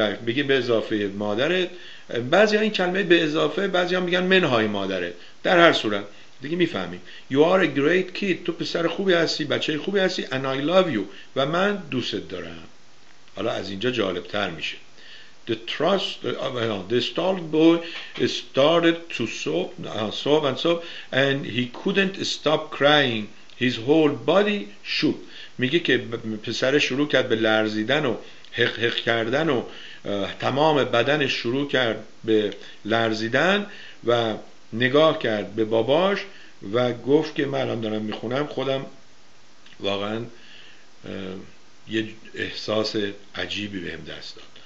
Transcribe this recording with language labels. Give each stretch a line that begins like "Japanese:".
Persian: بگه به اضافه مادرت، بعضی ها این کلمه به اضافه، بعضی ها میگن منهای مادره، در هر صورت دیگه میفهمیم.
English: You are a great kid،
Persian: تو پسر خوبی هستی، بچه خوبی هستی،
English: and I love you،
Persian: و من دوستت دارم. حالا از اینجا جالبتر میشه.
English: the stall boy started to sob, and he couldn't stop crying. His whole body shook.
Persian: میگه که پسر شروع کرد به لرزیدن و هق هق کردن و تمام بدنش شروع کرد به لرزیدن و نگاه کرد به باباش و گفت که من الان دارم میخونم خودم واقعا یه احساس عجیبی بهم دست داد.